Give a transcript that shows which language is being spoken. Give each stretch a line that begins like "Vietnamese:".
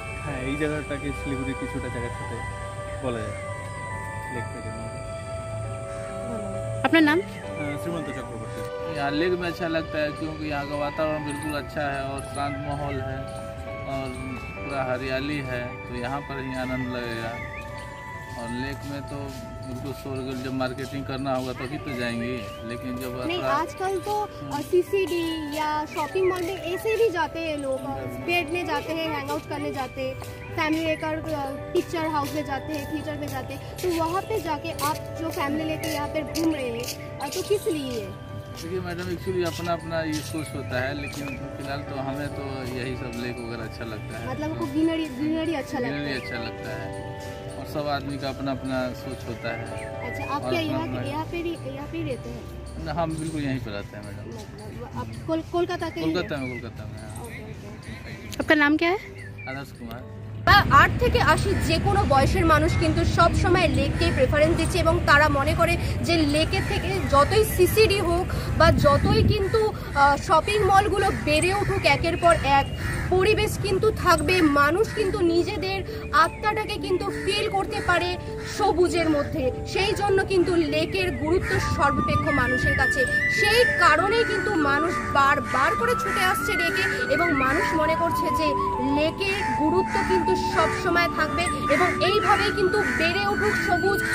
Bangla: হ্যাঁ, এই জায়গাটাকে শিলিগুড়ির কিছুটা জায়গার সাথে বলা যায় লেকটা যেমন। আপনার নাম? শ্রীমন্ত চক্রবর্তী।
Hindi: আর লেক মে আচ্ছা লাগতা হ্যাঁ, ক্যোঁকি ইয়াহাঁ কা বাতাবরণ বিলকুল আচ্ছা হ্যায় অর শান্ত মাহৌল হ্যায় और पूरा हरियाली है, तो यहाँ पर ही आनंद लगेगा। और लेक में तो उनको शोरगुल जब मार्केटिंग करना होगा तभी तो जाएंगे, लेकिन जब नहीं आजकल तो सीसीडी या शॉपिंग मॉल में ऐसे भी जाते हैं लोग, बैठने जाते हैं, हैंगआउट करने जाते हैं, फैमिली लेकर पिक्चर हाउस में जाते हैं, थिएटर में जाते हैं, तो वहाँ पे जाके आप जो फैमिली लेकर यहाँ पर घूम रहे हैं तो किस लिए? देखिए मैडम एक्चुअली अपना अपना ये सोच होता है, लेकिन फिलहाल तो हमें तो यही सब लेक वगैरह अच्छा लगता है, मतलब तो ग्रीनरी अच्छा लगता है, और सब आदमी का अपना अपना सोच होता है। अच्छा, आप क्या यहाँ पे रहते हैं? हम बिल्कुल यहीं पर रहते हैं मैडम, कोलकाता में। आपका नाम क्या है? आदर्श कुमार।
Bangla: 8 থেকে 80 যে কোনো বয়সের মানুষ কিন্তু সব সময় লেককেই প্রেফারেন্স দিচ্ছে, এবং তারা মনে করে যে লেকের থেকে যতই সিসিডি হোক বা যতই কিন্তু শপিং মলগুলো বেড়ে উঠুক একের পর এক, পরিবেশ কিন্তু থাকবে, মানুষ কিন্তু নিজেদের আত্মাটাকে কিন্তু ফিল করতে পারে সবুজের মধ্যে, সেই জন্য কিন্তু লেকের গুরুত্ব সর্বাপেক্ষ মানুষের কাছে, সেই কারণেই কিন্তু মানুষ বারবার করে ছুটে আসছে লেকে, এবং মানুষ মনে করছে যে লেকের গুরুত্ব কিন্তু সবসময় থাকবে, এবং এইভাবেই কিন্তু বেড়ে উঠুক সবুজ।